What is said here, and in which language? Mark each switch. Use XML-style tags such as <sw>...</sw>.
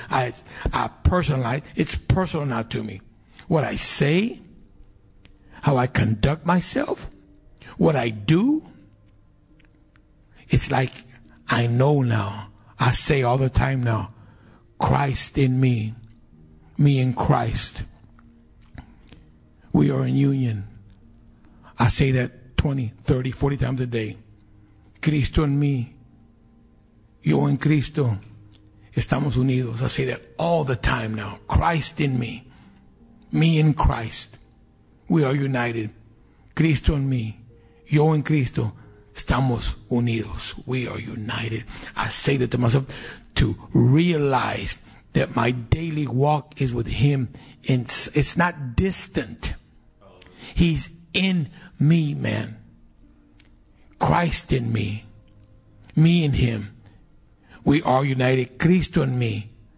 <en>I personalize. It's personal now to me. What I say, how I conduct myself, what I do, it's like I know now. I say all the time now, Christ in me. Me and Christ, we are in union. I say that 20, 30, 40 times a day.</en> <es>Cristo en mí, yo en Cristo, estamos unidos.</es> <en>I say that all the time now. Christ in me, me in Christ, we are united.</en> <es>Cristo en mí, yo en Cristo, estamos unidos.</es> <en>We are united. I say that to myself to realize that my daily walk is with him. It's not distant. He's in me, man. Christ in me. Me in him. We are united. Cristo in me.</en>